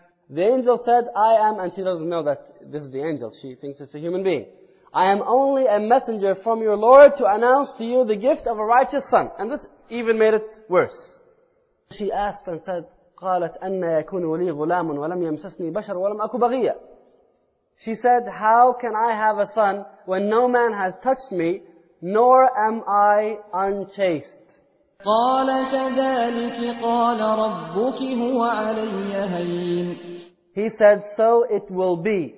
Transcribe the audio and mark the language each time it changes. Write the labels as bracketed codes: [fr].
[en] The angel said, "I am," and she doesn't know that this is the angel. She thinks it's a human being. "I am only a messenger from your Lord to announce to you the gift of a righteous son." And this even made it worse. She asked and said, [ar] "قَالَتْ أَنَّ يَكُونُ وَلِي غُلَامٌ وَلَمْ يَمْسَسْنِي بَشَرٌ وَلَمْ أَكُ بَغِيًّا." [en] She said, "How can I have a son when no man has touched me, nor am I unchaste?" [ar] قَالَ كَذَلِكِ قَالَ رَبُّكِ هُوَ عَلَيَّ هَيِّنٌ. [en] He said, so it will be.